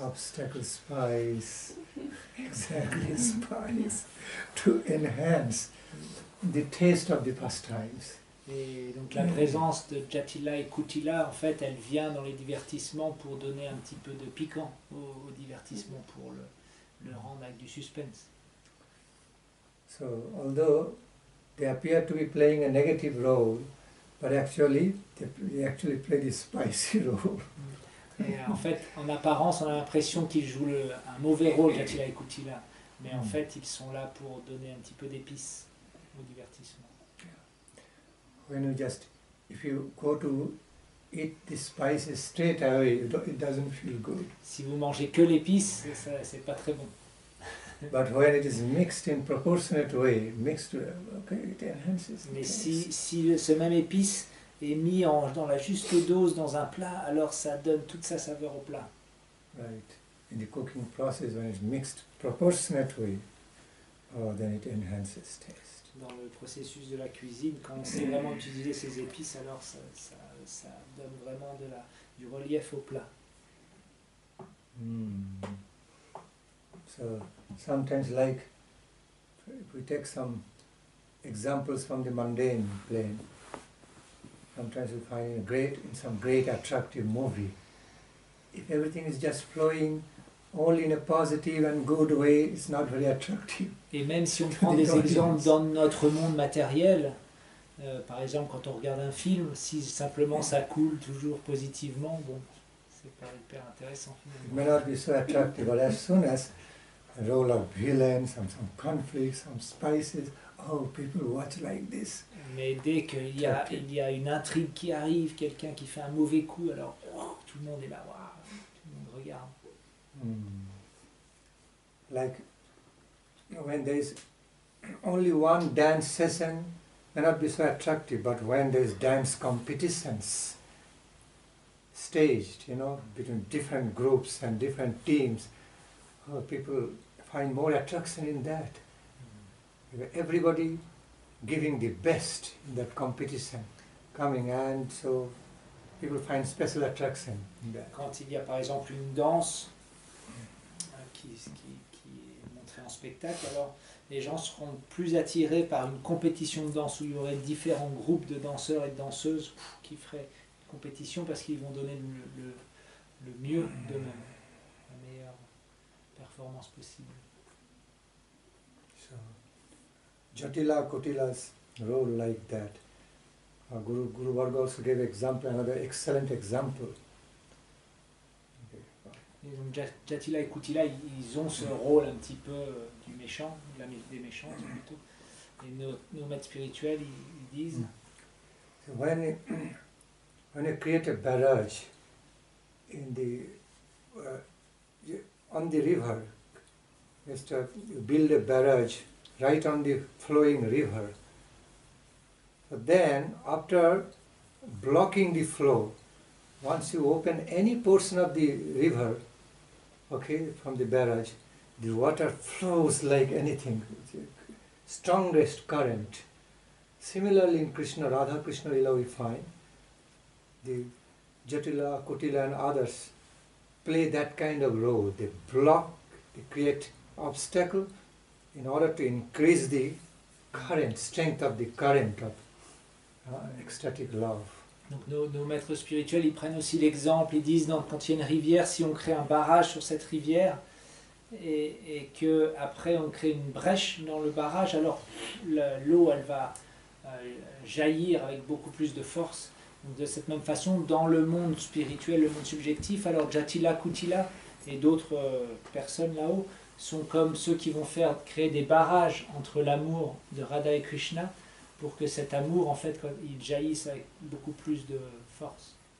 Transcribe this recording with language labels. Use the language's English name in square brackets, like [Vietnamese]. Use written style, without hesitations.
[English] Obstacle spice, exactly spice, to enhance the taste of the pastimes. [French] Et donc la présence de Jatila et Kotila, en fait, elle vient dans les divertissements pour donner un petit peu de piquant au divertissement, pour le rendre avec du suspense. [English] So, although they appear to be playing a negative role, but actually they play the spicy role. [French] Et en fait, en apparence, on a l'impression qu'ils jouent un mauvais rôle, Jatila et Kutila, mais en fait, ils sont là pour donner un petit peu d'épices au divertissement. [English] When you just, if you go to eat the spices straight away, it doesn't feel good. [French] Si vous mangez que l'épice, ça, c'est pas très bon. [English] But when it is mixed in proportionate way, mixed, okay, it enhances. [French] Mais si ce même épice est mis en, dans la juste dose dans un plat, alors ça donne toute sa saveur au plat. [English] Right. In the cooking process, when it's mixed proportionately, then it enhances taste. [French] Dans le processus de la cuisine, quand on sait vraiment utiliser ces épices, alors ça donne vraiment de la du relief au plat. [English] So sometimes, like if we take some examples from the mundane plane, sometimes we find in some great attractive movie, if everything is just flowing all in a positive and good way, it's not very attractive. [French] Et même si on prend des exemples dans notre monde matériel, par exemple quand on regarde un film, si simplement ça coule toujours positivement, bon, c'est pas hyper intéressant. [English] It may not be so attractive, but as soon as the role of villains, some conflicts, some spices, oh, people watch like this. [French] Mais dès qu'il y a une intrigue qui arrive, quelqu'un qui fait un mauvais coup, alors tout le monde est là, waouh, tout le monde regarde. [English] Like when there is only one dance session, may not be so attractive. But when there is dance competitions staged, you know, between different groups and different teams, people find more attraction in that. Everybody giving the best in that competition, coming, and so people find special attraction in that. [French] Quand il y a par exemple une danse qui est montré en spectacle, alors les gens seront plus attirés par une compétition de danse où il y aurait différents groupes de danseurs et de danseuses qui feraient une compétition parce qu'ils vont donner le mieux d'eux-mêmes, la meilleure performance possible. [English] So, Jatila Kotila's role like that. Guru Varga also gave example, another excellent example. [French] Et donc Jatila et Kutila, ils ont ce rôle un petit peu du méchant, de la, des méchants plutôt. Et nos maîtres spirituels, ils disent. [English] When you create a barrage in the on the river, you build a barrage right on the flowing river. So then, after blocking the flow, once you open any portion of the river, okay, from the barrage, the water flows like anything, strongest current. Similarly, in Krishna, Radha Krishna Lila, we find the Jatila, Kutila, and others play that kind of role. They block, they create obstacle in order to increase the current, strength of the current of ecstatic love. [French] Donc nos maîtres spirituels, ils prennent aussi l'exemple, ils disent donc, quand il y a une rivière, si on crée un barrage sur cette rivière et qu'après on crée une brèche dans le barrage, alors l'eau elle va jaillir avec beaucoup plus de force. Donc, de cette même façon, dans le monde spirituel, le monde subjectif, alors Jatila, Kutila et d'autres personnes là-haut sont comme ceux qui vont faire créer des barrages entre l'amour de Radha et Krishna, pour que cet amour, en fait, il jaillisse avec beaucoup plus de force.